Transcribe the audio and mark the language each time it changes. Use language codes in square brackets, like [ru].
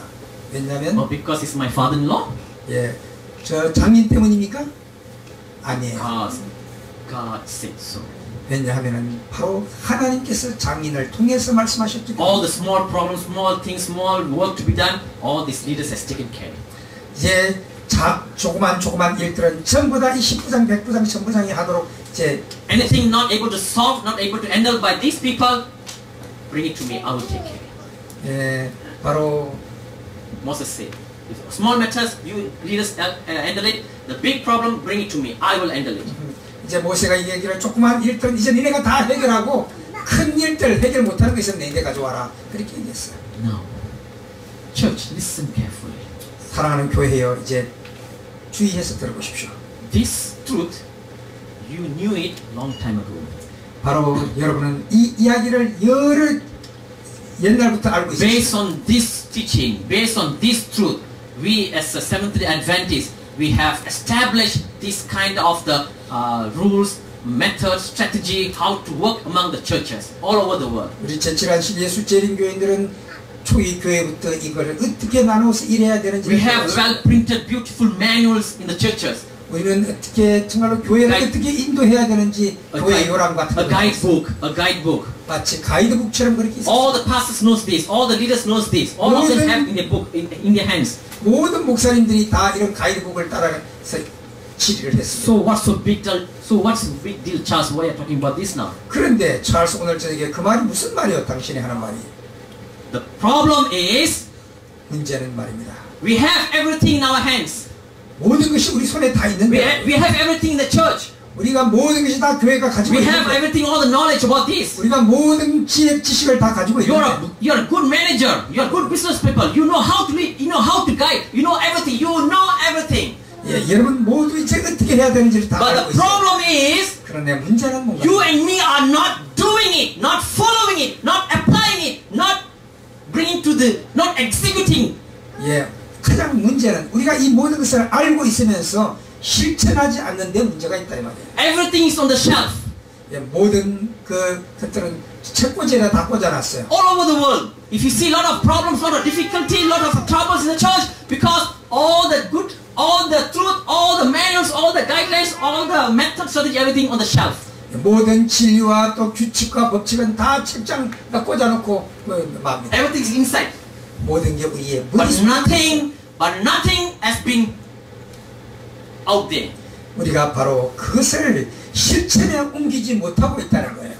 [en] Why? [ko] 왜냐하면 [en] well, because he's my father-in-law? [ko] 예, 저 장인 때문입니까? 아니에요. [en] God said so. [ko] 왜냐하면 바로 하나님께서 장인을 통해서 말씀하셨기 때문에 [en] All the small problems, small things, small work to be done, all these leaders has taken care. [ko] 이제 자, 조그만 조그만 일들은 전부 다 이 십부장, 백부장, 천부장이 하도록 이제 [en] Anything not able to solve, not able to handle by these people, bring it to me, I will take care. [ko] 예, 바로 [en] Moses said, If small matters, you leaders handle it. The big problem, bring it to me, I will handle it. [ko] 이제 모세가 이 얘기를 조그만 일들은 이제 너희가 다 해결하고 큰 일들 해결 못하는 것은 너희가 가져와라 그렇게 얘기했어요. [en] Now, church, listen carefully. [ko] 사랑하는 교회여, 이제 주의해서 들어보십시오. [en] This truth, you knew it long time ago. [ko] 바로 여러분은 이 이야기를 여러 옛날부터 알고 있습니다. [en] Based on this teaching, based on this truth, we as a Seventh-day Adventist, we have established this kind of the rules, methods, strategy, how to work among the churches all over the world. [ko] 우리 제칠한신 예수 재림교인들은 초기 교회부터 이걸 어떻게 나누어서 일해야 되는지 [en] We have well printed beautiful manuals in the churches. [ko] 우리는 어떻게 정말로 교회를 guide, 어떻게 인도해야 되는지 교회 요람 같은 [en] A guidebook, a guidebook. [ko] 마치 가이드북처럼 그렇게 있어요. [en] All the pastors knows this, all the leaders knows this. All of them have in their book in their hands. [ko] 모든 목사님들이 다 이런 가이드북을 따라서 치리를 했습니다. [en] So what's the big deal? So what's the big deal, Charles? Why are you talking about this now? [ko] 그런데 찰스 오늘 저에게 그 말이 무슨 말이에요? 당신이 하는 말이. [en] The problem is [ko] 문제는 말입니다. [en] We have everything in our hands. [ko] 모든 것이 우리 손에 다 있는데. [en] We have everything in the church. [ko] 우리가 모든 것이 다 교회가 가지고 [en] We have everything all the knowledge about this. [ko] 우리가 모든 지혜 지식을 다 가지고 있는데. [en] You're a good manager. You're a good business people. You know how to lead. You know how to guide. You know everything. You know everything. [ko] 예, 여러분 모두 이제 어떻게 해야 되는지를 다 알고 있어요. [en] But the problem is [ko] 그런데 문제는 뭔가? [en] You and me are not doing it. Not following it. Not applying it. Not bringing to the not executing. [ko] 예. 가장 문제는 우리가 이 모든 것을 알고 있으면서 실천하지 않는 데 문제가 있다 이 말이에요. [en] Everything is on the shelf. [ko] 예, 모든 그 것들은 책꽂이에다 다 꽂아놨어요. [en] All over the world. If you see a lot of problems, a lot of difficulty, a lot of troubles in the church because all the good, all the truth, all the manuals, all the guidelines, all the methods, strategy, everything on the shelf. [ko] 예, 모든 진리와 또 규칙과 법칙은 다 책장에 꽂아놓고 맙니다. [en] Everything is inside. [ko] 모든 게 우리의 [en] but nothing has been out there. [ko] 우리가 바로 그것을 실천에 옮기지 못하고 있다는 거예요.